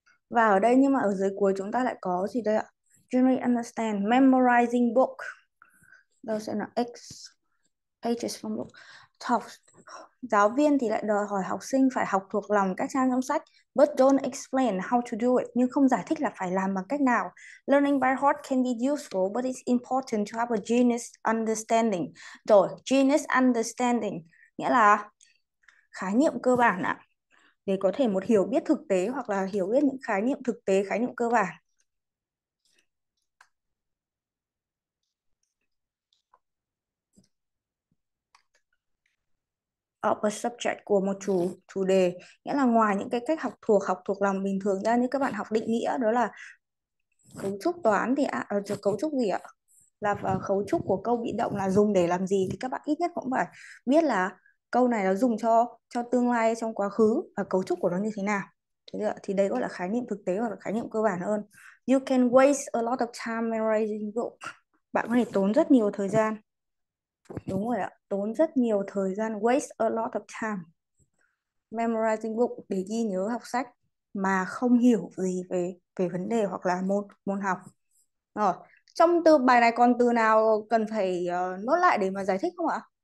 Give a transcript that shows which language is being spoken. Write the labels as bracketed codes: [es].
[vi] Và ở đây nhưng mà ở dưới cuối chúng ta lại có gì đây ạ? [en] Generally understand, memorizing book. [vi] Đâu sẽ là [en] X pages from book. [vi] Giáo viên thì lại đòi hỏi học sinh phải học thuộc lòng các trang trong sách. [en] But don't explain how to do it. [vi] Nhưng không giải thích là phải làm bằng cách nào. [en] Learning by heart can be useful, but it's important to have a genius understanding. [vi] Rồi, genius understanding nghĩa là khái niệm cơ bản ạ. Để có thể một hiểu biết thực tế hoặc là hiểu biết những khái niệm thực tế, khái niệm cơ bản. [en] Of a subject [vi] của một chủ đề nghĩa là ngoài những cái cách học thuộc lòng bình thường ra như các bạn học định nghĩa đó là cấu trúc toán thì à, cấu trúc gì ạ? Là cấu trúc của câu bị động là dùng để làm gì thì các bạn ít nhất cũng phải biết là câu này nó dùng cho tương lai trong quá khứ và cấu trúc của nó như thế nào. Thế được, thì đấy gọi là khái niệm thực tế hoặc là khái niệm cơ bản hơn. [en] You can waste a lot of time memorizing book. [vi] Bạn có thể tốn rất nhiều thời gian. Đúng rồi ạ, tốn rất nhiều thời gian, [en] waste a lot of time memorizing book [vi] để ghi nhớ học sách mà không hiểu gì về về vấn đề hoặc là môn môn học. Rồi, trong từ bài này còn từ nào cần phải nốt lại để mà giải thích không ạ?